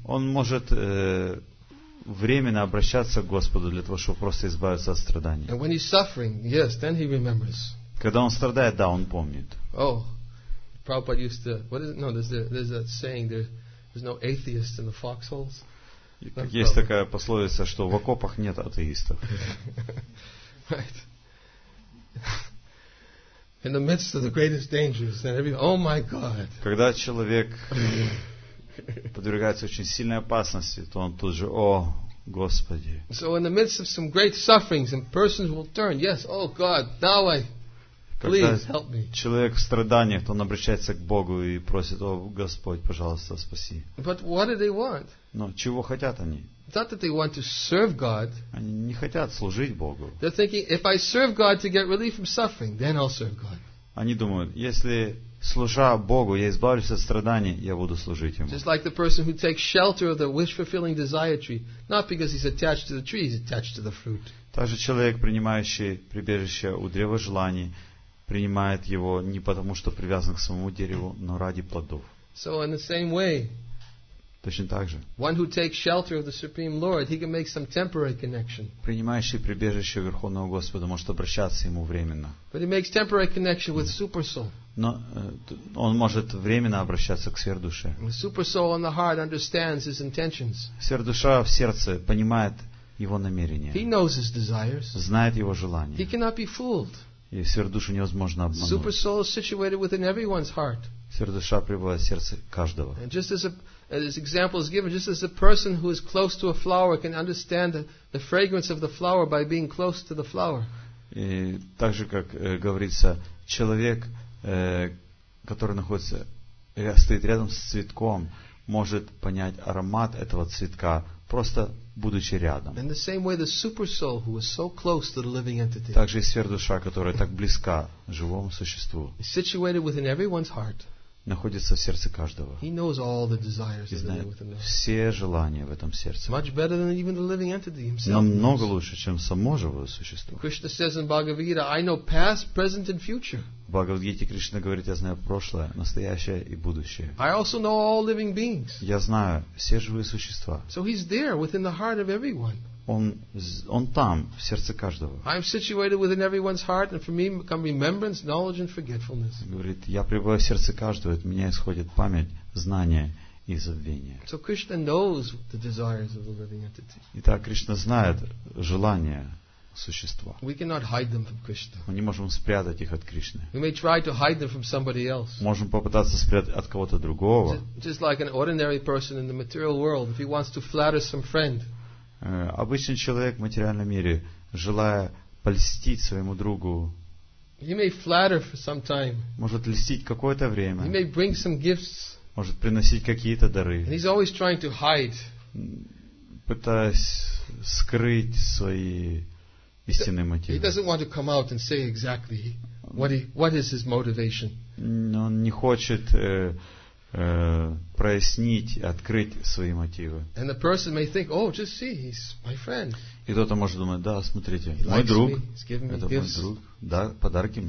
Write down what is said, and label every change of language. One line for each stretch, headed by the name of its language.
Russian: Он может временно обращаться к Господу для того, чтобы просто избавиться от страданий.
English: And when he's suffering, yes, then he remembers.
Russian: Когда он страдает, да, он помнит.
English: Oh, Prabhupada used to. What is it? No, there's that saying. There's no atheist in the foxholes.
Russian: Есть такая пословица, что в окопах нет атеистов.
English: Right. In the midst of the greatest dangers, and every oh my God.
Russian: Когда человек подвергается очень сильной опасности, то он тут же: О, Господи.
English: So in the midst of some great sufferings, and persons will turn, yes, oh God, now I, please help me.
Russian: Когда человек в страданиях, то он обращается к Богу и просит: О, Господь, пожалуйста, спаси.
English: But what do they want?
Russian: Но чего хотят они?
English: Not that they want to serve God.
Russian: Они не хотят служить Богу.
English: They're thinking, if I serve God to get relief from suffering, then I'll serve God.
Russian: Они думают, если служа Богу, я избавлюсь от страданий, я буду служить Ему.
English: Just like the person who takes shelter of the wish-fulfilling desire tree, not because he's attached to the tree, he's attached to the fruit.
Russian: Так же человек, принимающий прибежище у древа желаний, принимает его не потому, что привязан к самому дереву, но ради плодов.
English: So in the same way,
Russian: точно так же.
English: One who takes shelter of the Supreme Lord, he can make some temporary connection.
Russian: Принимающий прибежище Верховного Господа может обращаться ему временно.
English: But he makes temporary connection with super soul.
Russian: Но он может временно обращаться к сверхдуше.
English: Super soul in the heart understands his intentions.
Russian: Сверхдуша в сердце понимает его намерения.
English: He knows his desires.
Russian: Знает его желания.
English: He cannot be fooled.
Russian: И сверхдушу невозможно обмануть.
English: Super soul is situated within everyone's heart.
Russian: Сверхдуша пребывает в сердце каждого.
English: And just as a this example is given, just as a person who is close to a flower can understand the fragrance of the flower by being close to the flower.
Russian: И так же, как говорится, человек, который находится, стоит рядом с цветком, может понять аромат этого цветка, просто будучи рядом.
English: In the same way, the super soul who is so close to the living entity.
Russian: Так же и сверхдуша, которая так близка живому существу.
English: Is situated within everyone's heart.
Russian: Находится в сердце каждого.
English: He knows all the desires
Russian: и знает все желания в этом сердце.
English: Much better than even the living entity himself.
Russian: Намного лучше, чем само живое существо.
English: Krishna says in Bhagavad-gita, I know past, present and future.
Russian: В Бхагавад-гите Кришна говорит: я знаю прошлое, настоящее и будущее.
English: I also know all living beings.
Russian: Я знаю все живые существа.
English: So he's there within the heart of everyone.
Russian: Он там, в сердце каждого.
English: I'm situated within everyone's heart, and for me come remembrance, knowledge, and forgetfulness.
Russian: Говорит, я пребываю в сердце каждого, от меня исходит память, знание и забвение.
English: So Krishna knows the desires of the living entity.
Russian: Итак, Кришна знает желания существа.
English: We cannot hide them from Krishna.
Russian: Мы не можем спрятать их от Кришны.
English: We may try to hide them from somebody else.
Russian: Можем попытаться спрятать от кого-то другого.
English: Just like an ordinary person in the material world, if he wants to flatter some friend.
Russian: Обычный человек в материальном мире, желая польстить своему другу,
English: he may flatter for some time.
Russian: Может льстить какое-то время,
English: he may bring some gifts.
Russian: Может приносить какие-то дары,
English: and he's always trying to hide.
Russian: пытаясь скрыть свои истинные мотивы.
English: He doesn't want to come out and say exactly what is his motivation.
Russian: Он не хочет прояснить, открыть свои мотивы.
English: And the person may think, oh, just see, he's my friend.
Russian: И кто-то может думать, да, смотрите, мой друг, это мой друг, да, подарки мне.